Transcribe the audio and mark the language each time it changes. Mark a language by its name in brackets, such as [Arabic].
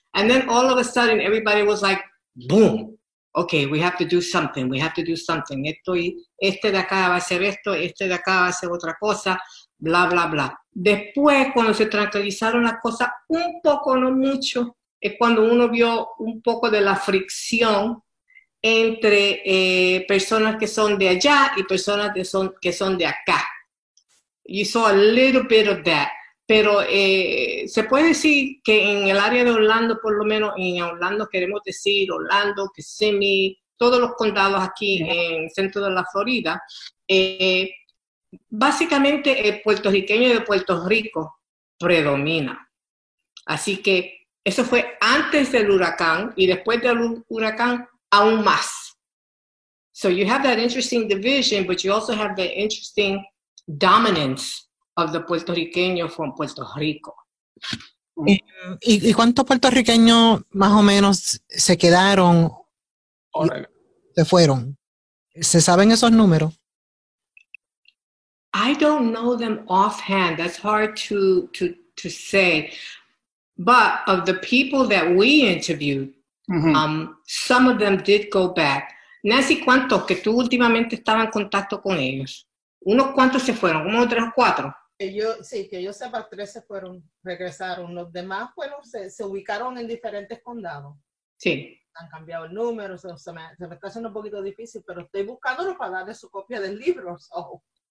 [English] And then all of a sudden, everybody was like, boom. Okay, we have to do something. We have to do something. [Spanish] Este de acá va a hacer esto. Este de acá va a hacer otra cosa. Bla, bla, bla. Después, cuando se tranquilizaron las cosas un poco, no mucho, es cuando uno vio un poco de la fricción entre personas que son de allá y personas que son de acá. [English] You saw a little bit of that. [Spanish] Pero se puede decir que en el área de Orlando, por lo menos en Orlando, queremos decir Orlando, Kissimmee, todos los condados aquí en el centro de la Florida, básicamente el puertorriqueño de Puerto Rico predomina. Así que eso fue antes del huracán y después del huracán aún más. [English] So you have that interesting division, but you also have the interesting dominance of the puertorriqueño from Puerto Rico. [Spanish] ¿Y cuántos puertorriqueños más o menos se quedaron? ¿Se fueron? ¿Se saben esos números? [English] I don't know them offhand. That's hard to say. But of the people that we interviewed, mm-hmm. Some of them did go back. [Spanish] Nancy, ¿cuántos que tú últimamente estabas en contacto con ellos? ¿Unos cuántos se fueron? ¿Unos 3 o 4? Que yo sepa, 13 fueron, regresaron. Los demás, bueno, se ubicaron en diferentes condados. Sí. Han cambiado el número, se me está haciendo un poquito difícil, pero estoy buscándolo para darle su copia del libro. So.